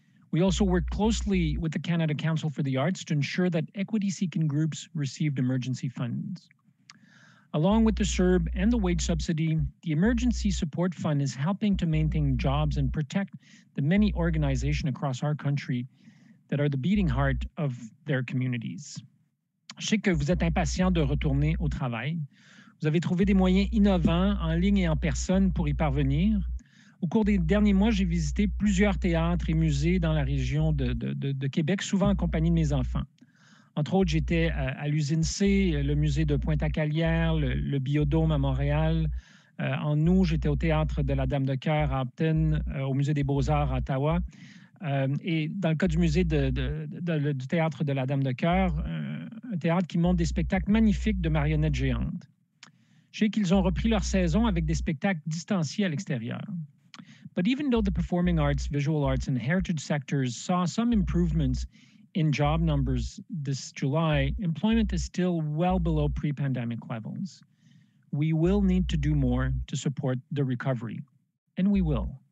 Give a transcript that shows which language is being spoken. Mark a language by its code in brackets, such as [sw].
[en] We also worked closely with the Canada Council for the Arts to ensure that equity-seeking groups received emergency funds. Along with the CERB and the wage subsidy, the Emergency Support Fund is helping to maintain jobs and protect the many organizations across our country that are the beating heart of their communities. [fr] Je sais que vous êtes impatient de retourner au travail. Vous avez trouvé des moyens innovants en ligne et en personne pour y parvenir. Au cours des derniers mois, j'ai visité plusieurs théâtres et musées dans la région de Québec, souvent en compagnie de mes enfants. Entre autres, j'étais à l'usine C, le musée de Pointe-à-Calière, le Biodôme à Montréal. En août, j'étais au théâtre de la Dame de Cœur à Upton, au musée des Beaux-Arts à Ottawa. Et dans le cas du musée du théâtre de la Dame de Cœur, un théâtre qui montre des spectacles magnifiques de marionnettes géantes. sais qu'ils ont repris leur saison avec des spectacles distanciés à l'extérieur. [en] But even though the performing arts, visual arts, and heritage sectors saw some improvements in job numbers this July, employment is still well below pre-pandemic levels. We will need to do more to support the recovery, and we will.